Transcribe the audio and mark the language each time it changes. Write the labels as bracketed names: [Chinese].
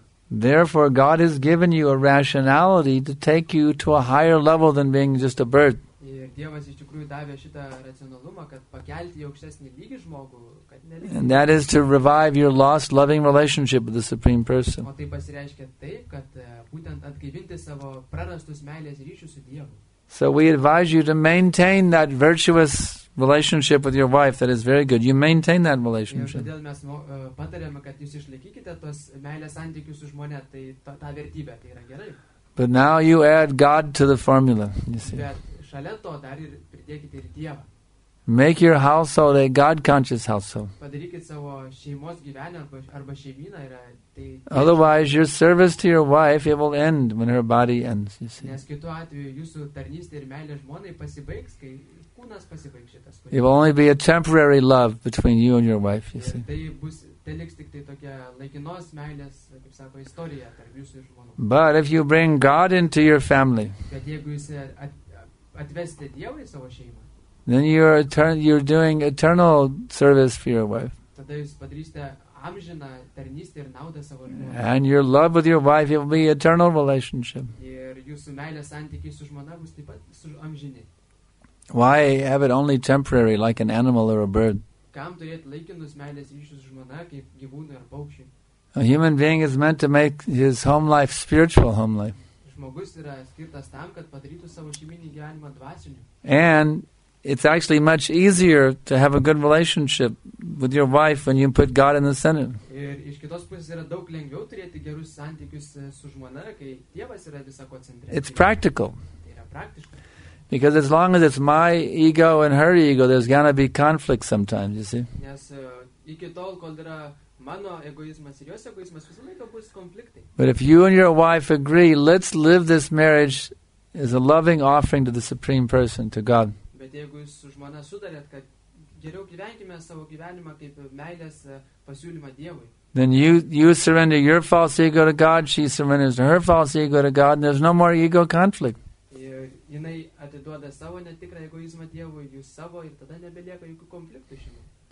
[English] Therefore, God has given you a rationality to take you to a higher level than being just a bird. And that is to revive your lost loving relationship with the Supreme Person. [Lithuanian] O tai pasireiškia taip, kad būtent atgaivinti savo prarastus meilės ryšius su Dievu. [English] So we advise you to maintain that virtuous relationship with your wife. That is very good. You maintain that relationship. [Lithuanian] Todėl mes patariame, kad jūs išlaikykite tos meilės santykius su žmone, tai ta vertybė, tai yra gerai. [English] But now you add God to the formula, you see. [Lithuanian] Bet šalia to dar ir pridėkite ir Dievą. [English] Make your household a God-conscious household. [Lithuanian] Padarykit savo šeimos gyvenimą arba šeimyną yra tai. [English] Otherwise, your service to your wife, it will end when her body ends, you see. [Lithuanian] Nes kitu atveju jūsų tarnystė ir meilė žmonai pasibaigs, kai kūnas pasibaigs šitas. [English] It will only be a temporary love between you and your wife, you see. [Lithuanian] Tai bus teliks tik tai tokia laikinos meilės, kaip sako, istorija tarp jūsų ir žmonų. [English] But if you bring God into your family, [Lithuanian] kad jeigu jūs atvesite Dievą į savo šeimą, [English] then you're doing eternal service for your wife. [Lithuanian] Tada jūs padarysite amžiną tarnystę ir naudą savo žmonai. [English] And your love with your wife, it will be eternal relationship. [Lithuanian] Ir jūsų meilės santykiai su žmona bus taip pat su amžini. [English] Why have it only temporary, like an animal or a bird? [Lithuanian] Kam turėti laikinus meilės ryšius su žmona, kaip gyvūnai ar paukščiai? [English] A human being is meant to make his home life spiritual home life. [Lithuanian] Žmogus yra skirtas tam, kad padarytų savo šeiminį gyvenimą dvasiniu. [English] And it's actually much easier to have a good relationship with your wife when you put God in the center. [Lithuanian] Ir iš kitos pusės yra daug lengviau turėti gerus santykius su žmona, kai Dievas yra visako centre. [English] It's practical. [Lithuanian] Tai yra praktiška. [English] Because as long as it's my ego and her ego, there's gonna be conflict sometimes, you see. [Lithuanian] Nes iki tol, kol yra mano egoizmas ir jos egoizmas, visą laiką bus konfliktai. [English] But if you and your wife agree, let's live this marriage as a loving offering to the Supreme Person, to God. [Lithuanian] Bet jeigu jūs su žmona sutarėt, kad geriau gyvenkime savo gyvenimą kaip meilės pasiūlymą Dievui. [English] Then you surrender your false ego to God, she surrenders her false ego to God, and there's no more ego conflict. [Lithuanian] Ir jinai atiduoda savo netikrą egoizmą Dievui, jūs savo, ir tada nebelieka jokių konfliktų šeimoje.